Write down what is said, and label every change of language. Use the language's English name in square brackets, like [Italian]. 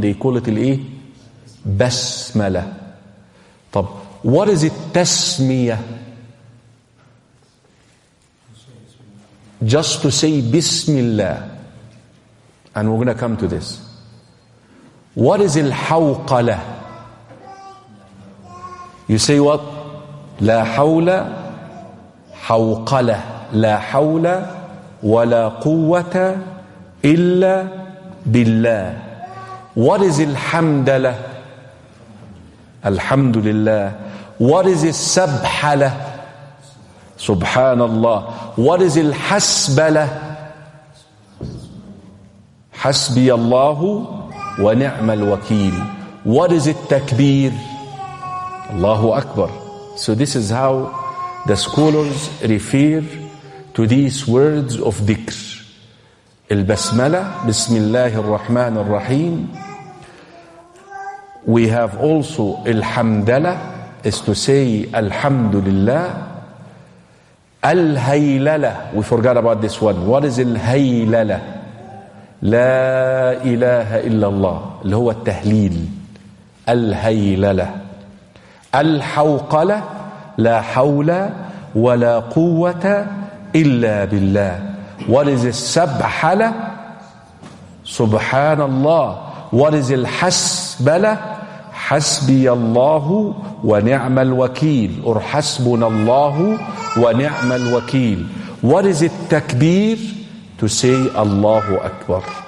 [English] They call it الايه? Basmala. طب, what is it Tasmiyah? Just to say Bismillah. And we're going to come to this. What is Al-Hawqala? You say what? [Arabic] لا حول حوقلة لا حول ولا قوة إلا بالله. [English] What is [Arabic] الحمدلة؟ الحمد لله. [English] What is [Arabic] السبحلة؟ سبحان الله. [English] What is [Arabic] الحسبلة؟ حسبي الله ونعم الوكيل. [English] What is [Arabic] التكبير؟ الله أكبر. [English] So this is how the scholars refer to these words of dhikr. [Arabic] البسملة, بسم الله الرحمن الرحيم. [English] We have also الحمدلة, is to say [Arabic] الحمد لله. [English] الهيللة, we forgot about this one. What is [Arabic] الهيللة؟ لا إله إلا الله, اللي هو التهليل. الهيللة. الحوقلة, لا حول ولا قوة إلا بالله. [English] What is [Arabic] السبحلة؟ سبحان الله. [English] What is [Arabic] الحسبلة؟ حسبي الله ونعم الوكيل, [English] or [Arabic] حسبنا الله ونعم الوكيل. [English] What is التكبير؟ To say [Arabic] الله أكبر.